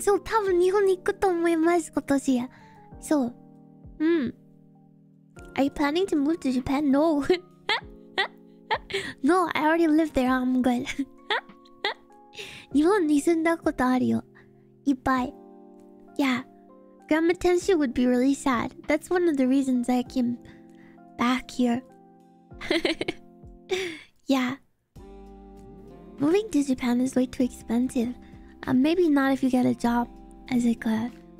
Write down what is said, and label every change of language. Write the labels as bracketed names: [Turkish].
[Japanese] So, 多分日本に行くと思います、今年。 [English] So, Are you planning to move to Japan? No. No, I already live there. I'm good. [Japanese] 日本に住んだことあるよ。いっぱい。 [English] Yeah. Grandma Tenshi would be really sad. That's one of the reasons I came back here. Yeah. Moving to Japan is way too expensive. Maybe not if you get a job as like a...